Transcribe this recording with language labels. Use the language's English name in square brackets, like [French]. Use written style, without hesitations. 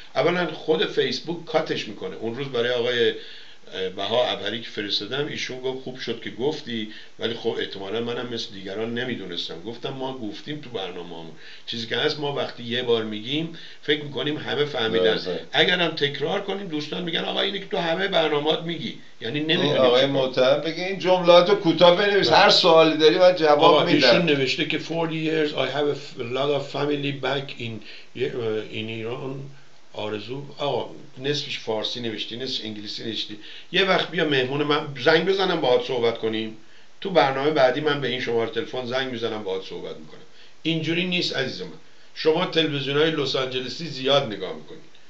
[Persian] اولا خود فیسبوک کاتش میکنه. اون روز برای آقای بها ابری که فرستادم ایشون گفت خوب شد که گفتی، ولی خب احتمالاً منم مثل دیگران نمیدونستم. گفتم ما گفتیم تو برنامه‌مون، چیزی که هست ما وقتی یه بار میگیم فکر میکنیم همه فهمیدن، اگرم تکرار کنیم دوستان میگن آقا اینی که تو همه برنامه‌ات میگی یعنی نمیدونی. آقای محترم بگه این جملاتو کوتاه بنویس، هر سوالی داری و جواب میدم. ایشون نوشته که [English] 40 years I have a lot of family back in Iran. [Persian] آرزو آقا نصفش فارسی نوشتی، نصفش انگلیسی نوشتی. یه وقت بیا مهمون من، زنگ بزنم باهات صحبت کنیم. تو برنامه بعدی من به این شماره تلفن زنگ میزنم باهات صحبت میکنم. اینجوری نیست عزیز من. شما تلویزیونای لس آنجلسی زیاد نگاه میکنید.